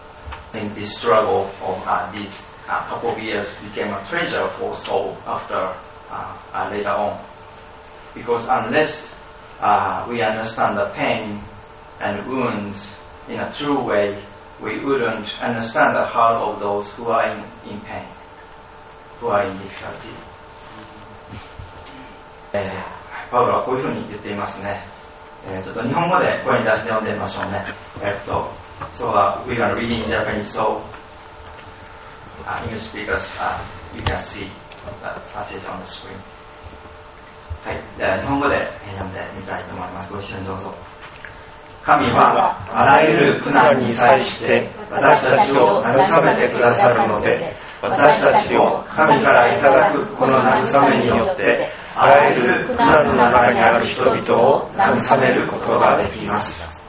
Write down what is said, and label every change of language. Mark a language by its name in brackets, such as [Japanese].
[English] I think this struggle of these couple of years became a treasure for Saul after later on. Because unless we understand the pain and wounds in a true way, we wouldn't understand the heart of those who are in pain, who are in difficulty. [Japanese] パウロはこういうふうに言っていますね。ちょっと日本語で声に出して読んでみましょうね。 [English] So we are reading in Japanese, so English speakers, you can see the passage on the screen. [Japanese] はい、では日本語で読んでみたいと思います。ご一緒にどうぞ。神はあらゆる苦難に際して私たちを慰めてくださるので、私たちを神からいただくこの慰めによって、あらゆる苦難の中にある人々を慰めることができます。